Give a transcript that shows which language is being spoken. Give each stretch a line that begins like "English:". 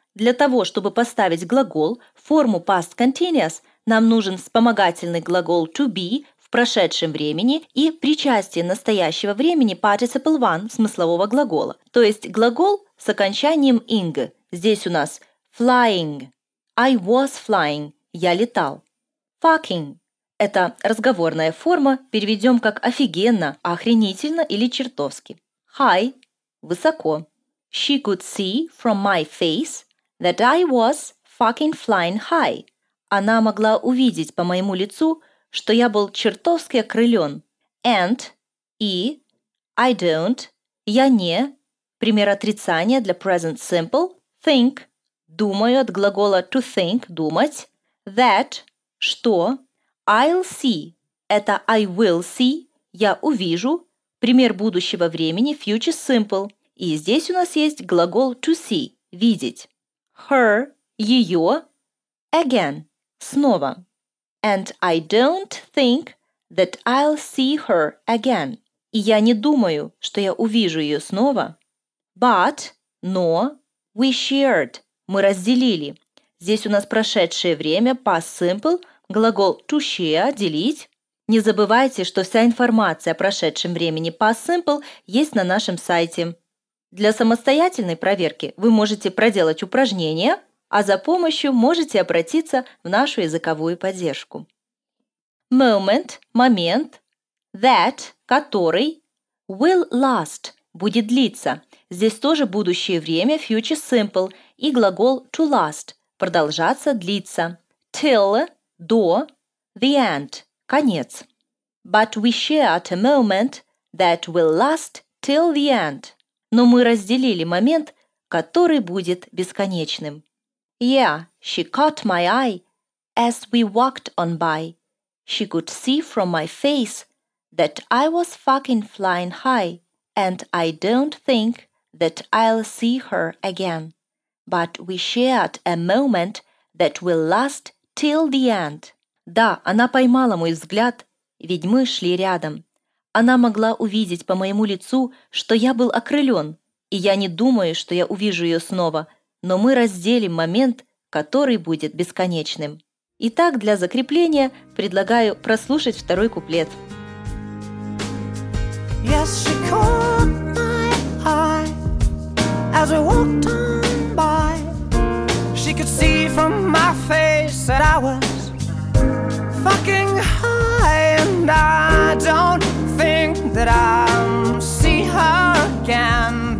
Russian: Для того, чтобы поставить глагол в форму past continuous, нам нужен вспомогательный глагол to be в прошедшем времени и причастие настоящего времени participle one смыслового глагола, то есть глагол с окончанием ing. Здесь у нас flying.
English: I was flying.
Russian: Я летал.
English: Fucking.
Russian: Это разговорная форма. Переведем как офигенно, охренительно или чертовски. High. Высоко.
English: She could see from my face that I was fucking flying high.
Russian: Она могла увидеть по моему лицу, что я был чертовски окрылен.
English: And. И. I don't.
Russian: Я не. Пример отрицания для present simple – think – думаю от глагола to think – думать. That – что. I'll see – это
English: I will see
Russian: – я увижу. Пример будущего времени – future simple. И здесь у нас есть глагол to see – видеть. Her – ее. Again – снова.
English: And I don't think that I'll see her again.
Russian: И я не думаю, что я увижу ее снова. But, но,
English: we shared,
Russian: мы разделили. Здесь у нас прошедшее время, past simple, глагол to share, делить. Не забывайте, что вся информация о прошедшем времени past simple есть на нашем сайте. Для самостоятельной проверки вы можете проделать упражнение, а за помощью можете обратиться в нашу языковую поддержку. Moment – момент. That – который.
English: Will last
Russian: – будет длиться. Здесь тоже будущее время, future simple, и глагол to last – продолжаться, длиться. Till – до, the end – конец.
English: But we share at a moment that will last till the end.
Russian: Но мы разделили момент, который будет бесконечным.
English: Yeah, she caught my eye as we walked on by. She could see from my face that I was fucking flying high, and I don't think that I'll see her again. But we shared a moment that will last till the end.
Russian: Да, она поймала мой взгляд, ведь мы шли рядом. Она могла увидеть по моему лицу, что я был окрылен, и я не думаю, что я увижу ее снова, но мы разделим момент, который будет бесконечным. Итак, для закрепления предлагаю прослушать второй куплет.
English: Yes, she caught my eye as we walked on by. She could see from my face that I was fucking high, and I don't think that I'll see her again.